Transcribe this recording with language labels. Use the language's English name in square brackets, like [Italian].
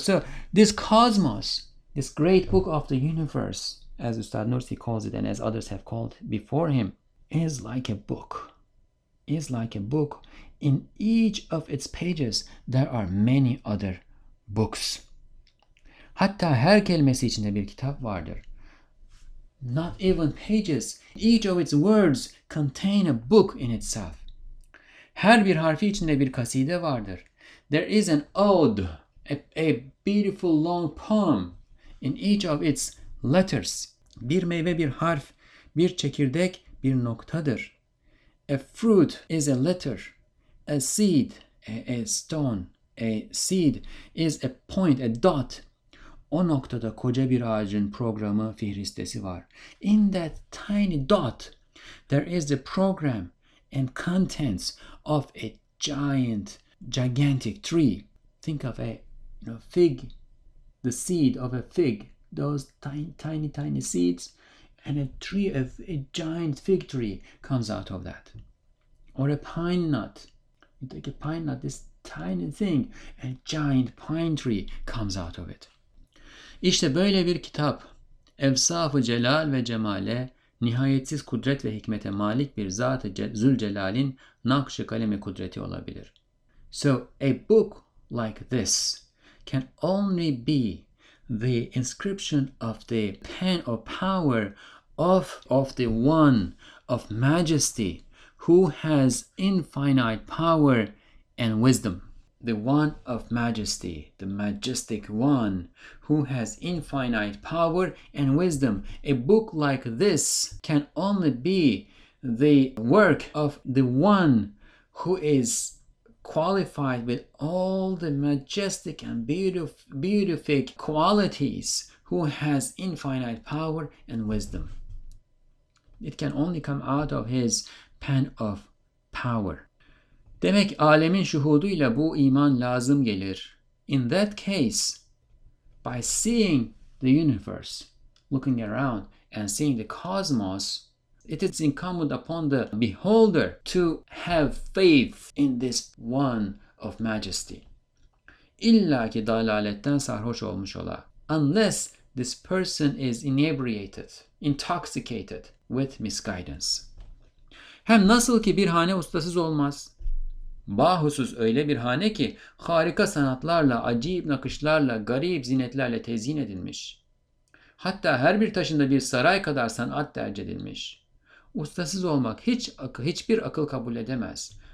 [English] So this cosmos, this great book of the universe, as Ustad Nursi calls it and as others have called before him, is like a book. Is like a book. In each of its pages there are many other books. [Turkish] Hatta her kelimesi içinde bir kitap vardır. [English] Not even pages, each of its words contain a book in itself. [Turkish] Her bir harfi içinde bir kaside vardır. [English] There is an ode, a beautiful long poem in each of its letters. [Turkish] Bir meyve bir harf, bir çekirdek bir noktadır. [English] A fruit is a letter, a seed, a stone, a seed is a point, a dot. [Turkish] O noktada koca bir ağacın programı, fihristesi var. [English] In that tiny dot, there is the program and contents of a giant, gigantic tree. Think of a, you know, fig, the seed of a fig, those tiny seeds. And a tree, a giant fig tree comes out of that. Or a pine nut. You take a pine nut, this tiny thing, a giant pine tree comes out of it. [Turkish] İşte böyle bir kitap, evsaf-ı celal ve cemale, nihayetsiz kudret ve hikmete malik bir zat-ı Zülcelal'in nakş-ı kalem-i kudreti olabilir. [English] So a book like this can only be the inscription of the pen of power of the one of majesty who has infinite power and wisdom. The one of majesty, the majestic one who has infinite power and wisdom. A book like this can only be the work of the one who is qualified with all the majestic and beautiful qualities, who has infinite power and wisdom. It can only come out of his pen of power. [Turkish] Demek alemin şuhuduyla bu iman lazım gelir. [English] In that case, by seeing the universe, looking around and seeing the cosmos, it is incumbent upon the beholder to have faith in this one of majesty. [Turkish] İlla ki dalaletten sarhoş olmuş ola. [English] Unless this person is inebriated, intoxicated with misguidance. [Turkish] Hem nasıl ki bir hane ustasız olmaz. Bahusuz öyle bir hane ki harika sanatlarla, acayip nakışlarla, garip zinetlerle tezyin edilmiş. Hatta her bir taşında bir saray kadar sanat derc edilmiş. Ustasız olmak hiçbir akıl kabul edemez.